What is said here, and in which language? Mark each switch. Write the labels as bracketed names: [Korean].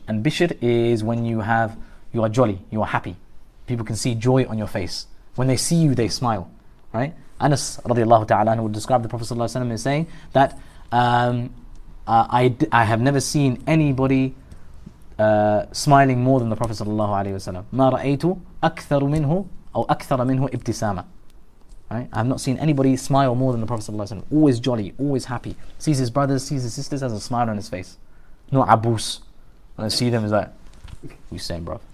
[English] And bishr is when you are jolly, you are happy. People can see joy on your face. When they see you, they smile, right? Anas radiallahu ta'ala would describe the Prophet sallallahu alayhi wa sallam as saying that, I have never seen anybody smiling more than the Prophet sallallahu alayhi wa sallam. [Arabic] مَا رَأَيْتُ أَكْثَرُ مِنْهُ أَوْ أَكْثَرَ مِنْهُ إِبْتِسَامًا. [English] Right? I have not seen anybody smile more than the Prophet sallallahu alayhi wa sallam. Always jolly, always happy. Sees his brothers, sees his sisters, has a smile on his face. No abus. When I see them, he's like, what you saying, bro?